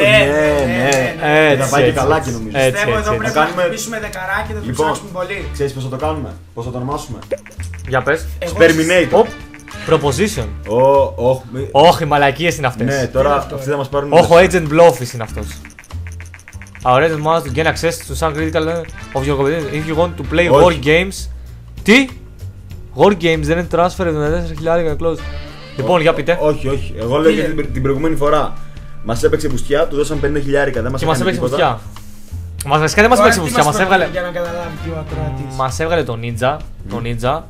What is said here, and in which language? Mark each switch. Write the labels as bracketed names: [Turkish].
[Greek] Ναι, ναι. Έτσι. Θα πάει και καλά και νομίζω. Έτσι, έτσι. Πιστεύω εδώ πρέπει να χτυπήσουμε δεκαράκι, θα το ψάξουμε πολύ. Ξέρεις πώς θα το κάνουμε, πώς θα το ονομάσουμε. Για πες. [English] Sperminator. Proposition. [Greek] Όχι, οι μαλακίες είναι αυτές. Ναι, τώρα αυτοί θα μας πάρουν. Όχι, ο Agent Blowfish είναι αυτός. [English] Our agent wants to gain access to some critical of your competition. If you want to play war games. [Greek] Τι? War games δεν είναι transfer με 4.000 και close. Λοιπόν, για πείτε. Όχι, όχι. Εγώ λέω για την προηγούμενη φορά. Μας έπαιξε μπουστιά, του δώσαν 50.000, δεν μας έκανε τίποτα. Και μας έπαιξε μπουστιά. Μας βασικά δεν μας έπαιξε μπουστιά, μας έβγαλε. Για να καταλάβει ποιο ακροατής. Μας έβγαλε το Ninja. Το Ninja.